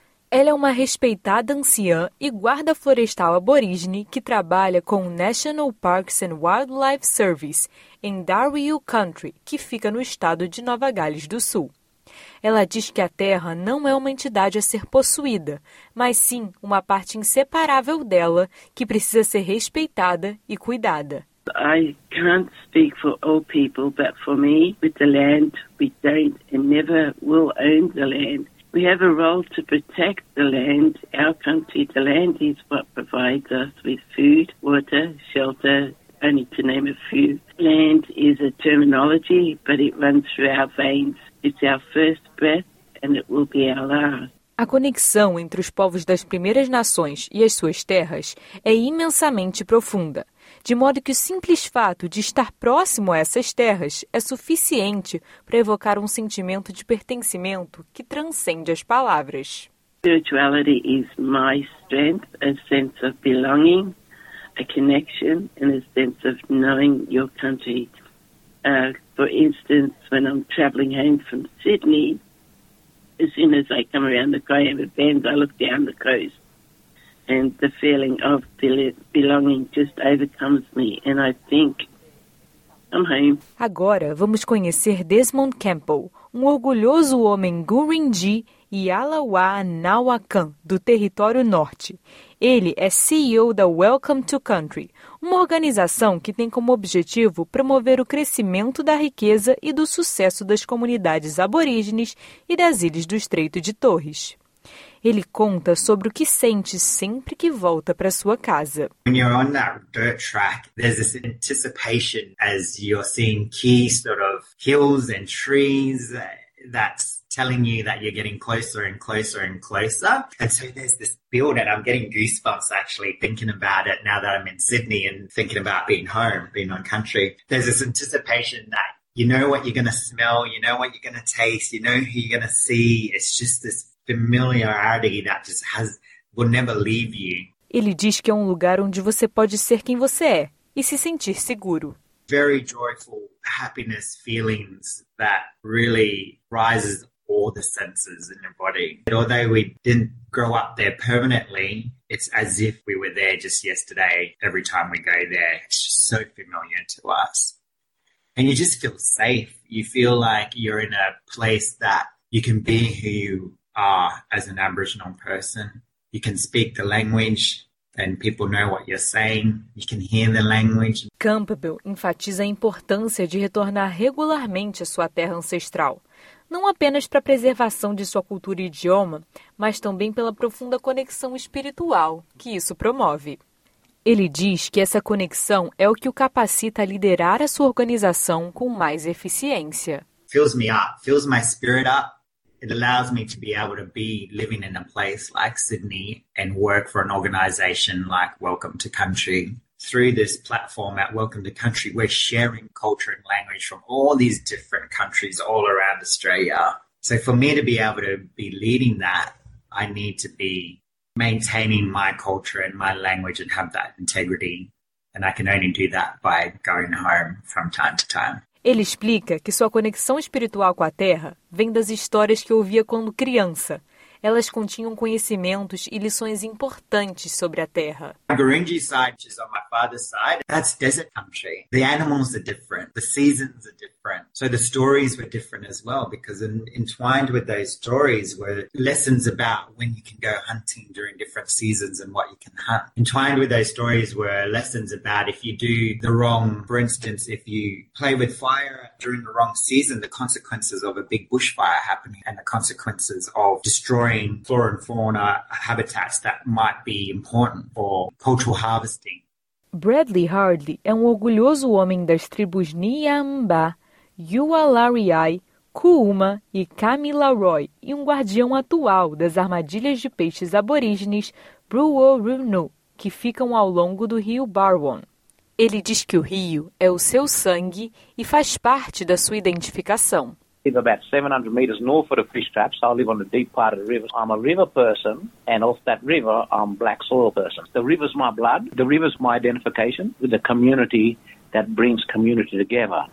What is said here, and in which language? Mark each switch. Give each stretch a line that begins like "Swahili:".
Portuguese: Ela é uma respeitada anciã e guarda florestal aborígene que trabalha com o National Parks and Wildlife Service em Darwin Country, que fica no estado de Nova Gales do Sul. Ela diz que a terra não é uma entidade a ser possuída, mas sim uma parte inseparável dela que precisa ser respeitada e cuidada.
English: I can't speak for all people, but for me, with the land, we don't and never will own the land. We have a role to protect the land, our country. The land is what provides us with food, water, shelter, only to name a few. Land is a terminology, but it runs through our veins. It's our first breath, and it will be our last.
Portuguese: A conexão entre os povos das Primeiras Nações e as suas terras é imensamente profunda, de modo que o simples fato de estar próximo a essas terras é suficiente para evocar um sentimento de pertencimento que transcende as palavras.
English: Spirituality is my strength, a sense of belonging, a connection, and a sense of knowing your country. For instance, when I'm traveling home from Sydney, as soon as I come around the Kaiama Bend, I look down the coast. And the feeling of belonging just overcomes me, and I think I'm home.
Portuguese: Agora vamos conhecer Desmond Campbell, um orgulhoso homem Gurindji e Alawá Nawakan, do Território Norte. Ele é CEO da Welcome to Country, uma organização que tem como objetivo promover o crescimento da riqueza e do sucesso das comunidades aborígenes e das ilhas do Estreito de Torres. Ele conta sobre o que sente sempre que volta para sua casa.
English: When you're on that dirt track, there's this anticipation as you're seeing key sort of hills and trees that's telling you that you're getting closer and closer and closer. And so there's this build, and I'm getting goosebumps actually thinking about it now that I'm in Sydney and thinking about being home, being on country. There's this anticipation that you know what you're going to smell, you know what you're going to taste, you know who you're going to see. It's just this familiarity that just has will never leave you.
Portuguese: Ele diz que é um lugar onde você pode ser quem você é e se sentir seguro.
English: Very joyful happiness feelings that really rises all the senses in your body. But although we didn't grow up there permanently, it's as if we were there just yesterday. Every time we go there, it's just so familiar to us. And you just feel safe. You feel like you're in a place that you can be who you are as an Aboriginal person. You can speak the language and people know what you're saying. You can hear the language.
Portuguese: Campbell enfatiza a importância de retornar regularmente à sua terra ancestral, não apenas para a preservação de sua cultura e idioma, mas também pela profunda conexão espiritual que isso promove. Ele diz que essa conexão é o que o capacita a liderar a sua organização com mais eficiência.
English: Fills me up, fills my spirit up. It allows me to be able to be living in a place like Sydney and work for an organization like Welcome to Country. Through this platform at Welcome to Country, we're sharing culture and language from all these different countries all around Australia. So for me to be able to be leading that, I need to be maintaining my culture and my language and have that integrity. And I can only do that by going home from time to time.
Portuguese: Ele explica que sua conexão espiritual com a terra vem das histórias que ouvia quando criança. Elas continham conhecimentos e lições importantes sobre a terra.
English: My Gurindji side, which is on my father's side, that's desert country. The animals are different. The seasons are different. So the stories were different as well, because entwined with those stories were lessons about when you can go hunting during different seasons and what you can hunt. Entwined with those stories were lessons about if you do the wrong, for instance, if you play with fire during the wrong season, the consequences of a big bushfire happening and the consequences of destroying flora and fauna habitats that might be important for cultural harvesting.
Portuguese: Bradley Hardley é um orgulhoso homem das tribos Niamba, Yualariai, Kuuma e Camila Roy e um guardião atual das armadilhas de peixes aborígenes Bruwurunu, que ficam ao longo do rio Barwon. Ele diz que o rio é o seu sangue e faz parte da sua identificação.
English: It's about 700 meters north of the fish traps. I live on the deep part of the river. I'm a river person, and off that river, I'm a black soil person. The river's my blood. The river's my identification with the community that brings community together.